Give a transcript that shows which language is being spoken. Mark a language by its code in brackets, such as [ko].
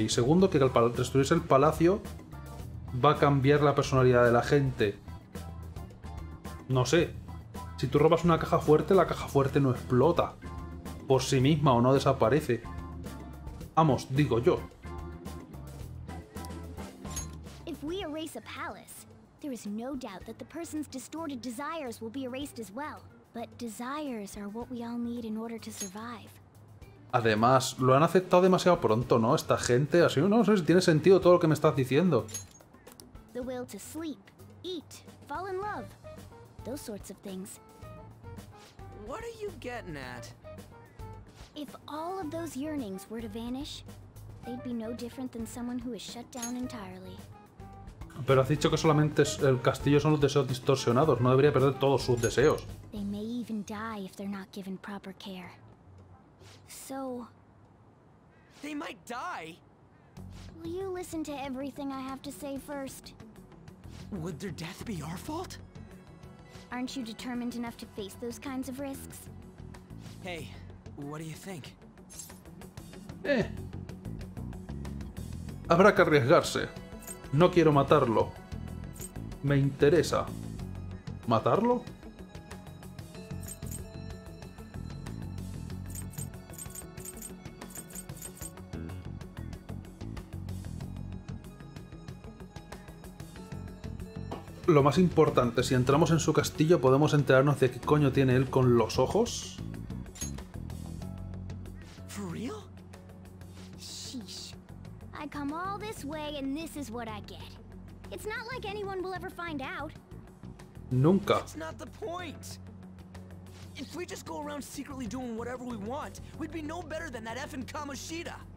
[es] Y segundo, que al destruirse el palacio va a cambiar la personalidad de la gente. No sé. Si tú robas una caja fuerte no explota por sí misma o no desaparece. Vamos, digo yo. [en] If we erase a palace, there is no doubt that the person's distorted desires will be erased as well. But desires are what we all need in order to survive. [es] Además, lo han aceptado demasiado pronto, ¿no? Esta gente, así, no sé si tiene sentido todo lo que me estás diciendo. [en] The will to sleep, eat, fall in love. Those sorts of things. What are you getting at? If all of those yearnings were to vanish, they'd be no different than someone who is shut down entirely. [es] Pero has dicho que solamente el castillo son los deseos distorsionados, no debería perder todos sus deseos. [en] They may even die if they're not given proper care. So, they might die. Will you listen to everything I have to say first? Would their death be our fault? Aren't you determined enough to face those kinds of risks? Hey, what do you think? [es] Habrá que arriesgarse. No quiero matarlo. Me interesa. ¿Matarlo? Lo más importante, si entramos en su castillo, podemos enterarnos de qué coño tiene él con los ojos. [en] ¿For real? Sheesh. I come all this way and this is what I get. It's not like anyone will ever find out. [es] Nunca. [en] That's not the point. If we just go around secretly doing whatever we want, we'd be no better than that effing Kamoshida.